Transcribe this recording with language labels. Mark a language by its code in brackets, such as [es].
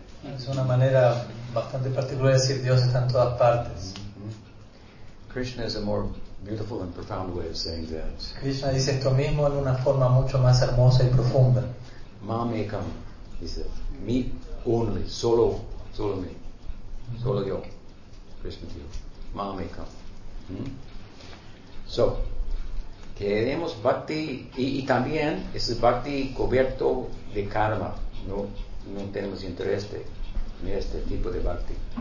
[es] Es una manera bastante particular de decir Dios está en todas partes. [en] Krishna is a more beautiful and profound way of saying that. [es] Krishna dice esto mismo en una forma mucho más hermosa y profunda. Mam ekam, [en] he said, me only, [es] solo me, solo yo, Krishna dijo, mam ekam. So, queremos bhakti, y también es bhakti cubierto de karma, no tenemos interés en este tipo de bhakti.